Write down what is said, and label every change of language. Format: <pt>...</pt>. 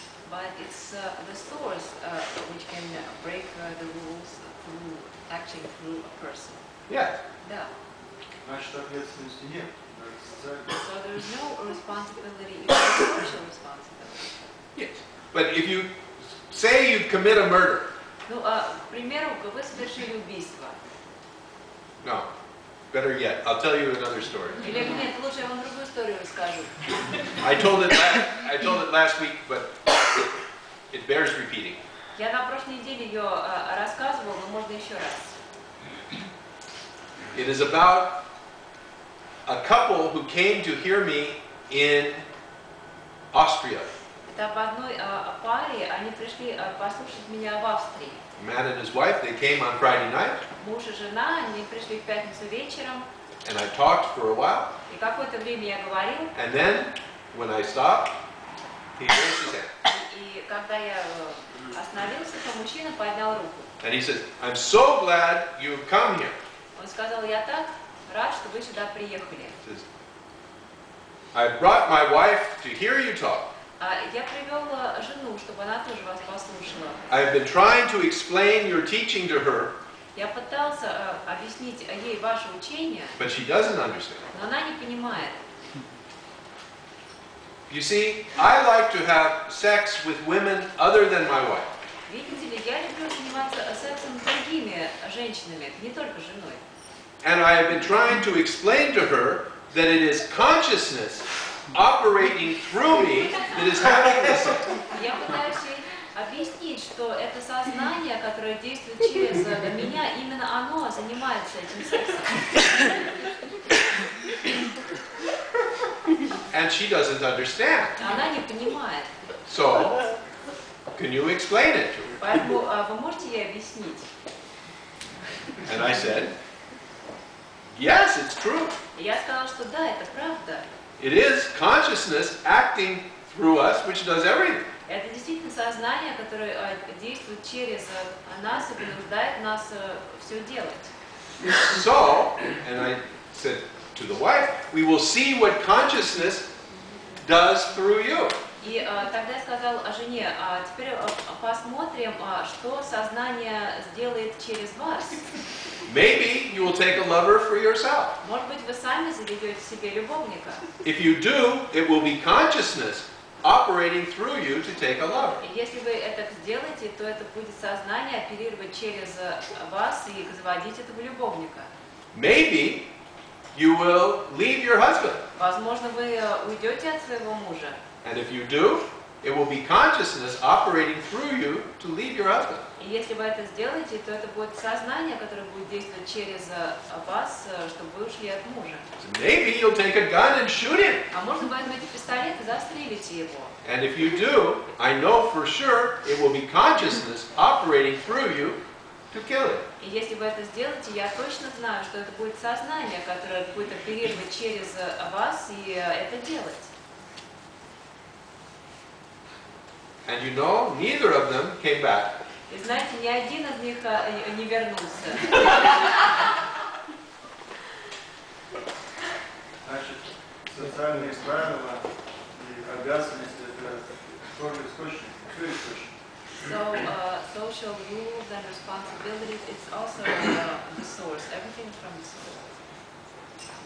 <en>But it's the source which can break the rules through acting through a person. Yeah. So there is no responsibility, even social responsibility. Yes. But if you say you commit a murder.</en> <ru>Ну, примеру, вы совершили убийство.</ru> <en>No. Better yet, I'll tell you another story. I told it last week, but it bears repeating.</en> <ru>Я на прошлой неделе её рассказывал, но можно ещё раз.</ru> <en>It is about a couple who came to hear me in Austria.</en> <ru>Это об одной паре, они пришли послушать меня в Австрии.</ru> <en>Man and his wife, they came on Friday night.</en> <ru>Муж и жена, они пришли в пятницу вечером.</ru> <en>And I talked for a while.</en> <ru>И какое-то время я говорил.</ru> <en>And then, when I stopped, he raised his hand.</en> <ru>И когда я остановился, то мужчина поднял руку.</ru> <en>And he said, I'm so glad you've come here.</en> <ru>Он сказал, я так рад, что вы сюда приехали.</ru> <en>Says, I brought my wife to hear you talk.</en> <ru>Я привел жену, чтобы она тоже вас послушала.</ru> <en>I have been trying to explain your teaching to her.</en> <ru>Я пытался объяснить ей ваше учение.</ru> <en>But she doesn't understand.</en> <ru>Но она не понимает.</ru> <en>You see, I like to have sex with women other than my wife.</en> <ru>Видите ли, я люблю заниматься сексом с другими женщинами, не только женой.</ru> <en>And I have been trying to explain to her that it is consciousness operating through me that is having this sex.</en> <ru>Я пытаюсь ей объяснить, что это сознание, которое действует через меня, именно оно занимается этим сексом.</ru> <en>And she doesn't understand.</en> <ru>Она не понимает.</ru> <en>So, can you explain it to her?</en> <ru>Поэтому вы можете ей объяснить?</ru> <en>And I said, yes, it's true.</en> <ru>Я сказала, что да, это правда.</ru> <en>It is consciousness acting through us, which does everything.</en> <ru>Это действительно сознание, которое действует через нас и принуждает нас все делать.</ru> <en>So, and I said to the wife, we will see what consciousness does through you.</en> <ru>И тогда я сказал жене, теперь посмотрим, что сознание сделает через вас.</ru> <en>Maybe you will take a lover for yourself.</en> <ru>Может быть, вы сами заведете себе любовника.</ru> <en>If you do, it will be consciousness operating through you to take a lover.</en> <ru>Если вы это сделаете, то это будет сознание оперировать через вас и заводить этого любовника.</ru> <en>Maybe you will leave your husband.</en> <ru>Возможно, вы уйдете от своего мужа.</ru> <en>And if you do, it will be consciousness operating through you to leave your husband.</en> <ru>И если вы это сделаете, то это будет сознание, которое будет действовать через вас, чтобы вы ушли от мужа.</ru> <en>So maybe you'll take a gun and shoot him.</en> <ru>А может быть, возьмете пистолет и застрелите его.</ru> <en>And if you do, I know for sure it will be consciousness operating through you to kill him.</en> <ru>И если вы это сделаете, я точно знаю, что это будет сознание, которое будет оперировать через вас и это делать.</ru> <en>And you know, neither of them came back.</en> <ru>И знаете, ни один из них не вернулся. Значит, социальные правила и обязанности — это тоже источник, все источники.</ru> <en>So social rules and responsibilities, it's also the source, everything from the source.</en>